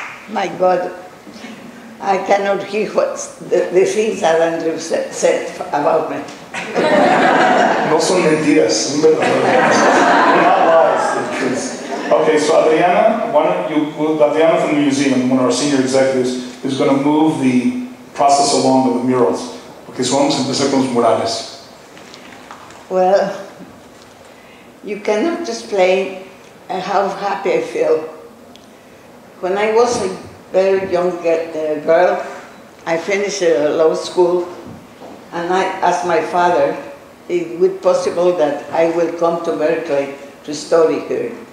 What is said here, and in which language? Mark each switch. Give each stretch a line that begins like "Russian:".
English: My God, I cannot hear what the things that Andrew said about me.
Spanish: No son mentiras,
English: they're not lies, they're truths. Okay, so Adriana, Adriana from the museum, one of our senior executives, is going to move the process along with the murals.
Spanish: Okay, so vamos a empezar con los murales.
English: Well, you cannot explain how happy I feel. When I was a very young girl, I finished law school, and I asked my father if it was possible that I will come to Berkeley to study here.